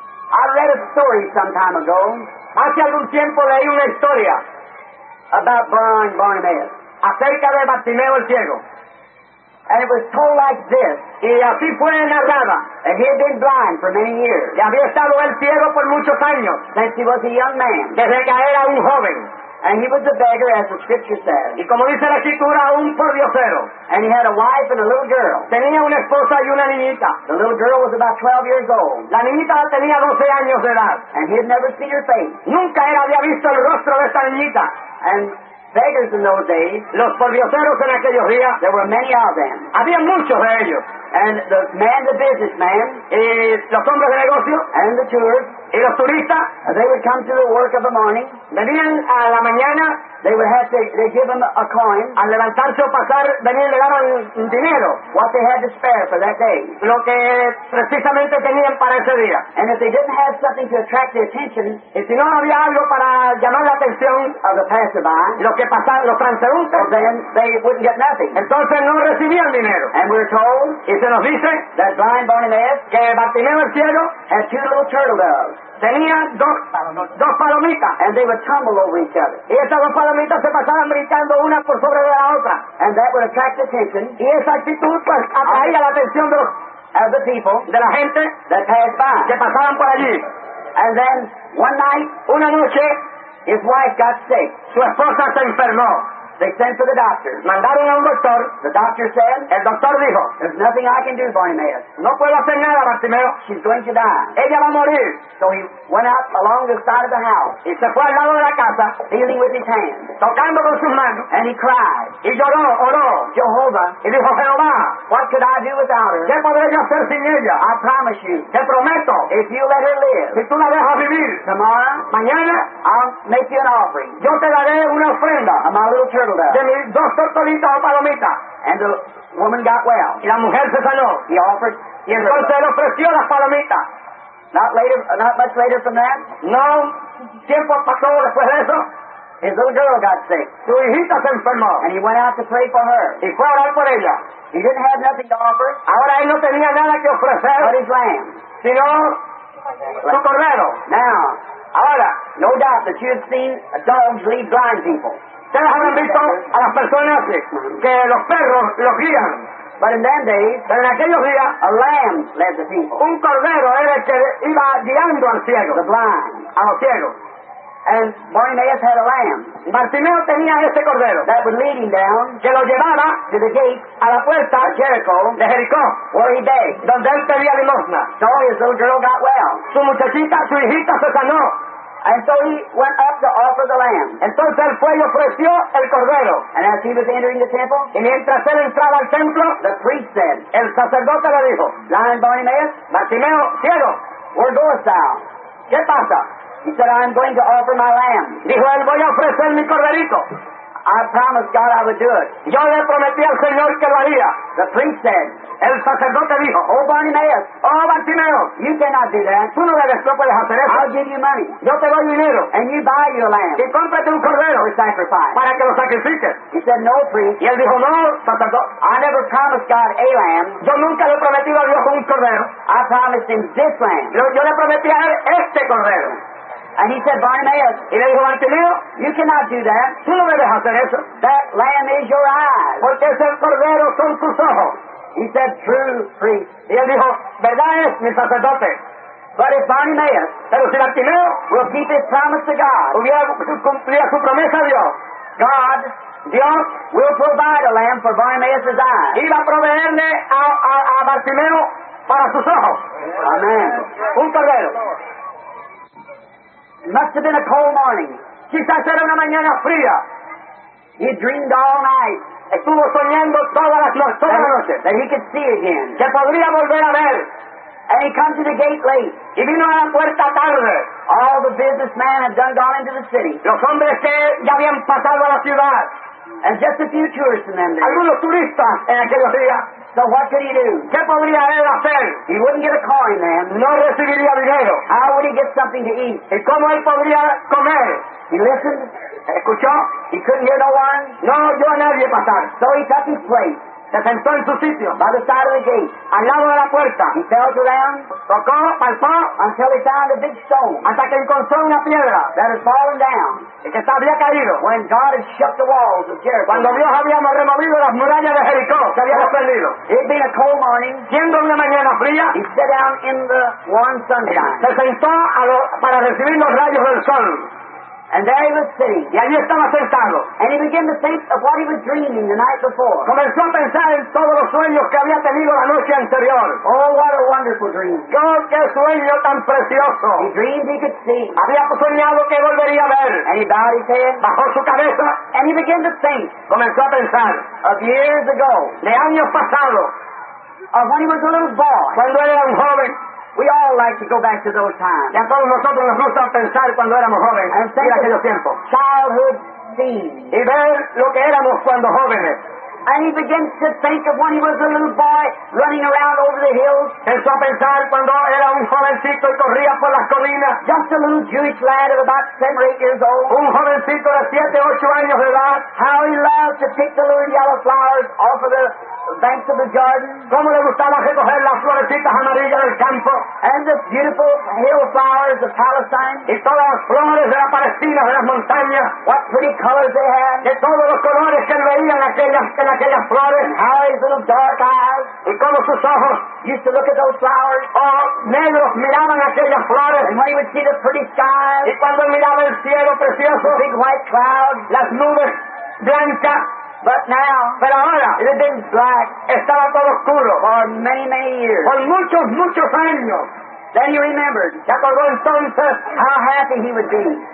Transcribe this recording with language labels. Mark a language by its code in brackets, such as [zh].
[en] I read a story some time ago. [es] Hace algún tiempo leí una historia [en] about blind Bartimaeus. [es] Acerca de Bartimeo el ciego. [en] And it was told like this. [es] Y así fue narrada. [en] And he had been blind for many years. [es] Y había estado el ciego por muchos años. [en] Since he was a young man. [es] Desde que era un joven. [en] And he was a beggar, as the scripture says. [es] Y como dice la escritura, un pordiosero. [en] And he had a wife and a little girl. [es] Tenía una esposa y una niñita. [en] The little girl was about 12 years old. [es] La niñita tenía 12 años de edad. [en] And he had never seen her face. [es] Nunca él había visto el rostro de esta niñita. [en] And beggars in those days, [es] los pordioseros en aquellos días, [en] there were many of them. [es] Había muchos de ellos. [en] And the man, the businessman, [es] los hombres de negocio, [en] and the tourists, [es] y los turistas, [en] they would come to the work of the morning. [es] Venían a la mañana. [en] They would have to they give them a coin. [es] Al levantarse o pasar, venían le daban dinero. [en] What they had to spare for that day. [es] Lo que precisamente tenían para ese día. [en] And if they didn't have something to attract the attention, [es] y si no había algo para llamar la atención [en] of the passerby, [es] los que pasaban, los transeúntes, [en] then they wouldn't get nothing. [es] Entonces no recibían dinero. [en] And we're told, [es] y se nos dice, [en] that blind Bartimaeus, [es] que Bartimeo el ciego, [en] had two little turtle doves. [es] Tenía dos palomitas. [en] And they would tumble over each other. [es] Y esas dos palomitas se pasaban brincando una por sobre de la otra. [en] And that would attract attention. [es] Y esa actitud pues atraía la atención de los [en] of the people, [es] de la gente [en] that passed by, [es] que pasaban por allí. [en] And then one night, [es] una noche, [en] his wife got sick. [es] Su esposa se enfermó. [en] They sent for the doctor. [es] Mandaron a un doctor. [en] The doctor said. [es] El doctor dijo. [en] There's nothing I can do, Bartimaeus. [es] No puedo hacer nada, Bartimeo. [en] She's going to die. [es] Ella va a morir. [en] So he went out along the side of the house. [es] Y se fue al lado de la casa. [en] Feeling with his hands. [es] Tocando con sus manos. [en] And he cried. [es] Y lloró, oró. [en] Jehovah. [es] Y dijo, Jehová. [en] What could I do without her? [es] ¿Qué podré yo hacer sin ella? [en] I promise you. [es] Te prometo. [en] If you let her live. [es] Si tú la dejas vivir. [en] Tomorrow. [es] Mañana. [en] I'll make you an offering. [es] Yo te daré una ofrenda. [en] A my little turtle dove. [es] De mis dos tortolitas o palomitas. [en] And the woman got well. [es] Y la mujer se sanó. [en] He offered. [es] Y entonces él ofreció las palomitas. [en] Not later, not much later from that. [es] No. Tiempo pasó después de eso. [en] His little girl got sick. [es] Su hijita se enfermó. [en] And he went out to pray for her. [es] Y fue a orar por ella. [en] He didn't have nothing to offer. [es] Ahora él no tenía nada que ofrecer. [en] But his lamb. [es] Sino su cordero. [en] Now, [es] ahora, [en] no doubt that you've seen dogs lead blind people. [es] Ustedes habrán visto a las personas que los perros los guían. [en] But in them days, [es] pero en aquellos días, [en] a lamb led the people. [es] Un cordero era el que iba guiando al ciego. [en] The blind. [es] A los ciegos. [en] And Bartimaeus had a lamb. [es] Bartimeo tenía ese cordero. [en] That would lead him down. [es] Que lo llevaba. [en] To the gate. [es] A la puerta. [en] Of Jericho. [es] De Jericó. [en] Where he begged. [es] Donde él pedía limosna. [en] So his little girl got well. [es] Su muchachita, su hijita se sanó. [en] And so he went up to offer the lamb. [es] Entonces él fue y ofreció el cordero. [en] And as he was entering the temple. [es] Y mientras él entraba al templo. [en] The priest said. [es] El sacerdote le dijo. [en] Blind Bartimaeus. [es] Bartimeo, ciego. [en] Where goest thou? [es] ¿Qué pasa? [en] He said, I'm going to offer my lamb. [es] Dijo, él, voy a ofrecer mi corderito. [en] I promised God I would do it. [es] Yo le prometí al Señor que lo haría. [en] The priest said. [es] El sacerdote dijo, [en] oh, Bartimaeus. [es] Oh, Bartimaeo. [en] You cannot do that. [es] Tú no debes, no puedes hacer eso. [en] I'll give you money. [es] Yo te doy dinero. [en] And you buy your lamb. [es] Y cómprate un cordero. [en] To sacrifice. [es] Para que lo sacrifiques. [en] He said, no, priest. [es] Y él dijo, no, sacerdote. [en] I never promised God a lamb. [es] Yo nunca le prometí a Dios un cordero. [en] I promised him this lamb. [es] Yo le prometí a él este cordero. [en] And he said, Bartimaeus, [es] y le dijo, Bartimeo, [en] you cannot do that. [es] Tú no debes hacer eso. [en] That lamb is your eyes. [es] Porque ese cordero son tus ojos. [en] He said, true, priest. [es] Y él dijo, verdad es, mi sacerdote. [en] But if Bartimaeus, [es] pero si Bartimeo, [en] will keep his promise to God, [es] hubiera cumplido su promesa a Dios, [en] God, [es] Dios, [en] will provide a lamb for Bartimaeus' eyes. [es] Iba a proveerle a Bartimeo para sus ojos. [en] Amen. [es] Un cordero. [en] It must have been a cold morning. [es] Quizás era una mañana fría. [en] He dreamed all night. [es] Estuvo soñando toda la noche. [en] That he could see again. [es] Que podría volver a ver. [en] And he comes to the gate late. [es] Y vino a la puerta tarde. [en] All the businessmen had done gone into the city. [es] Los hombres que ya habían pasado a la ciudad. [en] And just a few tourists in them. [es] Algunos turistas en aquellos días. [en] So what could he do? [es] ¿Qué podría él hacer? [en] He wouldn't get a coin, man. [es] No recibiría dinero. [en] How would he get something to eat? [es] ¿Y cómo él podría comer? [en] He listened. [es] ¿Escuchó? [en] He couldn't hear no one. [es] No oyó a nadie pasar. [en] So he took his place. [es] Se sentó en su sitio. [en] By the side of the gate. [es] Al lado de la puerta. [en] He felt around. [es] Tocó, palpó. [en] Until he found a big stone. [es] Hasta que encontró una piedra. [en] That had fallen down. [es] Y que había caído. [en] When God had shut the walls of Jericho. [es] Cuando Dios había removido las murallas de Jericó. Se había desprendido. [en] It had been a cold morning. [es] Siendo una mañana fría. [en] He sat down in the warm sunshine. [es] Se sentó para recibir los rayos del sol. [en] And there he was sitting. [es] Y allí estaba sentado. [en] And he began to think of what he was dreaming the night before. [es] Comenzó a pensar en todos los sueños que había tenido la noche anterior. [en] Oh, what a wonderful dream. [es] ¡Oh, qué sueño tan precioso! [en] He dreamed he could see. [es] Había soñado que volvería a ver. [en] And he bowed his head. [es] Bajó su cabeza. [en] And he began to think. [es] Comenzó a pensar. [en] Of years ago. [es] De años pasados. [en] Of when he was a little boy. [es] Cuando era un joven. [en] We all like to go back to those times. [es] Ya todos nosotros nos gusta pensar cuando éramos jóvenes. [en] And think [es] aquel tiempo. [en] Childhood scenes. [es] Y ver lo que éramos cuando jóvenes. [en] And he begins to think of when he was a little boy running around over the hills. [es] Empezó a pensar cuando era un jovencito y corría por las colinas. [en] Just a little Jewish lad of about 7 or 8 years old. [es] Un jovencito de 7 o 8 años de edad. [en] How he loved to pick the little yellow flowers off of the banks of the garden. [es] Cómo le gustaba recoger las florecitas amarillas del campo. [en] And the beautiful hill flowers of Palestine. [es] Y todas las flores de la Palestina, de las montañas. [en] What pretty colors they had. [es] De todos los colores que veían aquellas flores. [en] And how his little dark eyes. [es] Y cómo sus ojos. [en] Used to look at those flowers. [es] Oh, negros miraban aquellas flores. [en] And when he would see the pretty skies. [es] Y cuando miraba el cielo precioso. [en] The big white clouds. [es] Las nubes blanca. [en] But now, [es] pero ahora, [en] it had been black. [es] Estaba todo oscuro. [en] For many, many years. [es] Por muchos, muchos años. [en] Then he remembered. [es] Se acordó entonces [en] how happy he would be.